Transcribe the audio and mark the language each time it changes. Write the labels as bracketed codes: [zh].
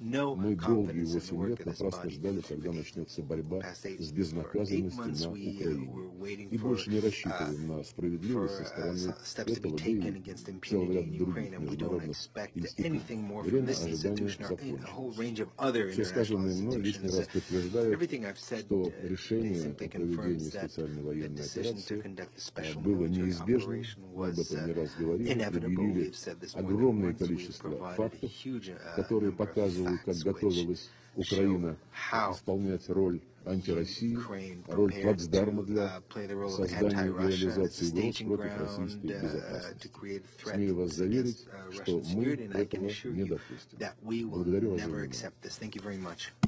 [ru] Мы долгие 8 лет напрасно ждали, когда начнется борьба с безнаказанностью на Украине. И больше не рассчитываем на справедливость со стороны этого, да и целый ряд других международных институтов. [en] Anything more from this institution or in a whole range of other international institutions. Everything I've said basically confirms that the decision to conduct the special military operation was inevitable. We've said this more than once. We've provided a huge number of facts which show [ru] Украина исполняет роль антироссии, роль плацдарма для создания и реализации угроз против российской безопасности. Смею вас заверить, что мы этого не допустим. Благодарю вас за внимание.